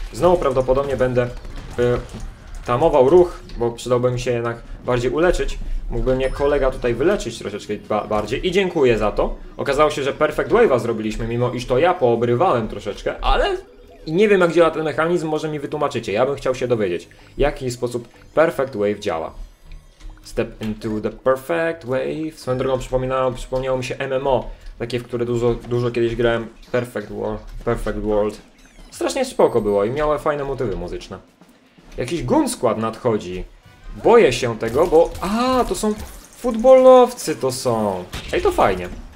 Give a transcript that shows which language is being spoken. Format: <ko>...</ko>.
<pl>Znowu prawdopodobnie będę tamował ruch, bo przydałby mi się jednak bardziej uleczyć. Mógłby mnie kolega tutaj wyleczyć troszeczkę bardziej i dziękuję za to. Okazało się, że perfect wave'a zrobiliśmy, mimo iż to ja poobrywałem troszeczkę, ale... I nie wiem, jak działa ten mechanizm, może mi wytłumaczycie. Ja bym chciał się dowiedzieć, w jaki sposób Perfect Wave działa.</pl> <en>Step into the Perfect Wave.</en> <pl>Swoją drogą przypomniało mi się MMO, takie, w które dużo kiedyś grałem. Perfect World. Strasznie spoko było i miało fajne motywy muzyczne. Jakiś goon squad nadchodzi. Boję się tego, bo... A, to są futbolowcy to są. Ej, to fajnie.</pl>